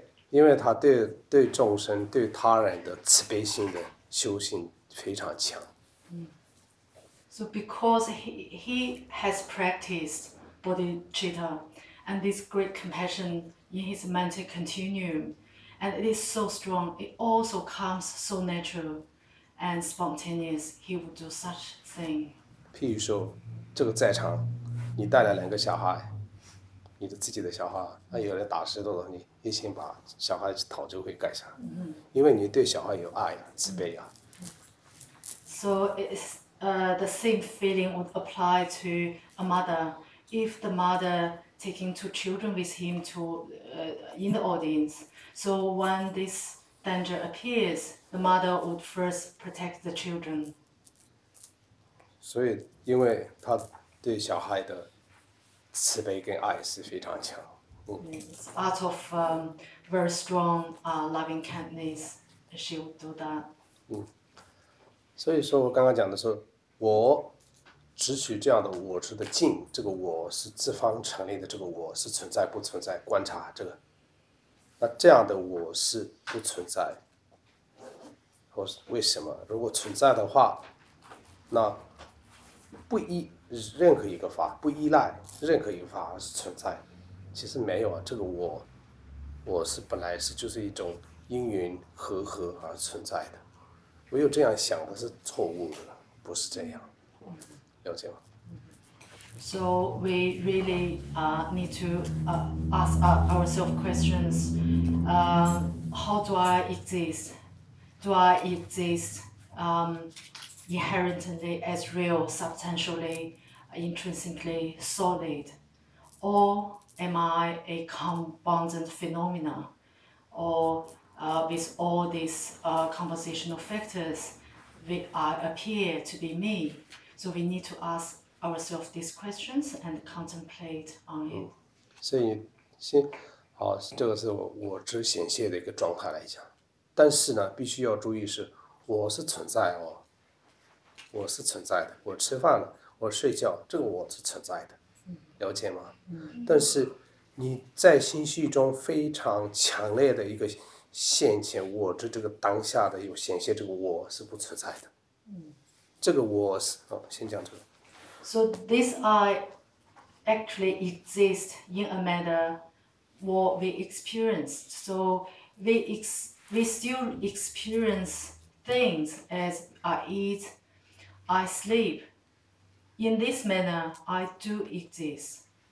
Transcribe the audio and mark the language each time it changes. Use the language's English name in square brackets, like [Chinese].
[Chinese] 因为他对众生对他人的慈悲心的修行非常强。 [English] So because he has practiced bodhicitta and this great compassion in his mental continuum, and it is so strong, it also comes so natural and spontaneous. He would do such thing. [Chinese] 譬如说，这个在场，你带来两个小孩。你的自己的小孩，那有人打石头了，你一心把小孩的头就会盖上，因为你对小孩有爱呀、慈悲呀。 [English] So it's the same feeling would apply to a mother. If the mother taking two children with him to in the audience, so when this danger appears, the mother would first protect the children. [Chinese] 所以，因为他对小孩的。慈悲跟爱是非常强。 [English] Out of very strong loving kindness, she would do that. [Chinese] 所以说我刚刚讲的是，我只取这样的我执的境，这个我是自方成立的，这个我是存在不存在观察这个。那这样的我是不存在，或是为什么？如果存在的话，那不一。任何一个法不依赖任何一个法而是存在，其实没有啊，这个我是本来是就是一种因缘和合而存在的，唯有这样想的是错误的，不是这样，了解吗？ [English] So we really need to ask ourselves questions. How do I exist? Do I exist inherently as real, substantially? Intrinsically solid, or am I a compounded phenomena, or with all these compositional factors, we appear to be me? So we need to ask ourselves these questions and contemplate on it. [Chinese] 所以先好，这个是我执显现的一个状态来讲，但是呢，必须要注意是，我是存在哦，我是存在的，我吃饭了。我睡觉，这个我是存在的，了解吗？但是你在心绪中非常强烈的一个现前，我这个当下的有显现，这个我是不存在的。这个我是先讲这个， [English] So this I actually exist in a matter what we experienced. So we still experience things as I eat, I sleep. In this manner, I do exist.